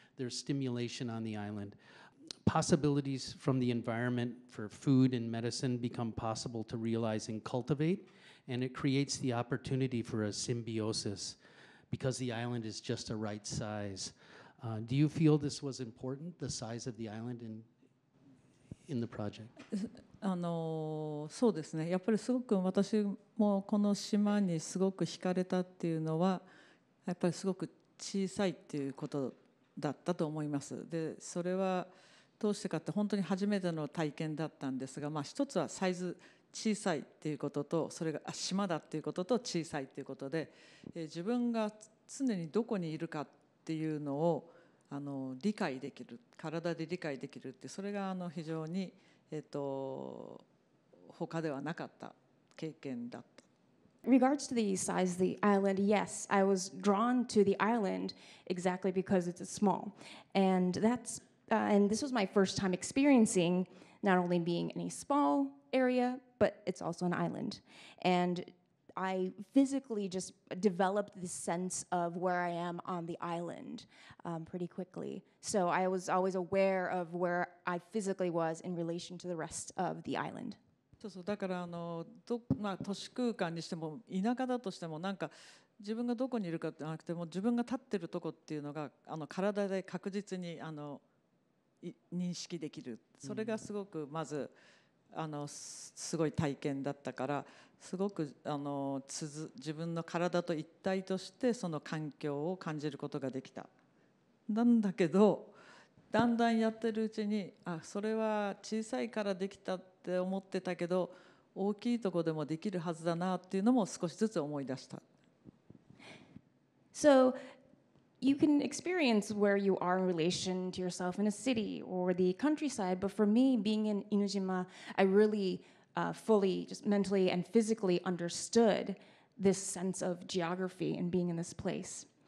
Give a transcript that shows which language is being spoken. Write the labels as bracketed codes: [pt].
[en] There's stimulation on the island. Possibilities from the environment for food and medicine become possible to realize and cultivate, and it creates the opportunity for a symbiosis because the island is just the right size. Do you feel this was important, the size of the island in the project? [ja] そうですね、やっぱりすごく私もこの島にすごく惹かれたっていうのは、やっぱりすごく小さいっていうことだったと思います。で、それはどうしてかって本当に初めての体験だったんですが、まあ、一つはサイズ小さいっていうことと、それが島だっていうことと小さいっていうことで、自分が常にどこにいるかっていうのを理解できる、体で理解できるって、それが非常に他ではなかった経験だった。 [en] Regards to the size of the island, yes, I was drawn to the island exactly because it's small. And that's, and this was my first time experiencing not only being in a small area, but it's also an island. And I physically just developed this sense of where I am on the island pretty quickly. So I was always aware of where I physically was in relation to the rest of the island. [ja] そうそう、だからまあ、都市空間にしても田舎だとしても、なんか自分がどこにいるかじゃなくても、自分が立ってるとこっていうのが体で確実に認識できる、それがすごくまずすごい体験だったから、すごく自分の体と一体としてその環境を感じることができた。なんだけど、だんだんやってるうちに、あ、それは小さいからできたって思ってたけど、大きいとこでもできるはずだなっていうのも少しずつ思い出した。 [en] So you can experience where you are in relation to yourself in a city or the countryside, but for me, being in Inujima, I really fully, just mentally and physically understood this sense of geography and being in this place.